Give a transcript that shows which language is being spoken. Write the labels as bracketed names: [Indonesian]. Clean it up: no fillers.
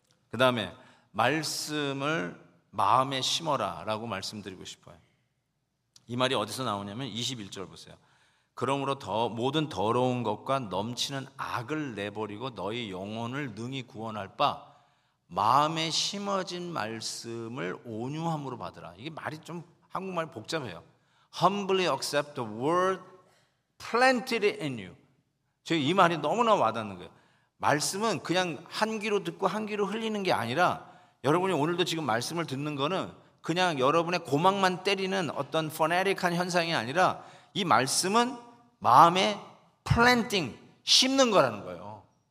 [Korean] 그 다음에 말씀을 마음에 심어라 라고 말씀드리고 싶어요. 이 말이 어디서 나오냐면 21절 보세요. 그러므로 더 모든 더러운 것과 넘치는 악을 내버리고 너희 영혼을 능히 구원할 바 마음에 심어진 말씀을 온유함으로 받으라. 이게 말이 좀 한국말 복잡해요. [English] Humbly accept the word planted in you. [Korean] 저 이 말이 너무나 와닿는 거예요. 말씀은 그냥 한 귀로 듣고 한 귀로 흘리는 게 아니라 여러분이 오늘도 지금 말씀을 듣는 거는 그냥 여러분의 고막만 때리는 어떤 포네틱한 현상이 아니라 이 말씀은 마음에 플랜팅, 심는 거라는 거예요.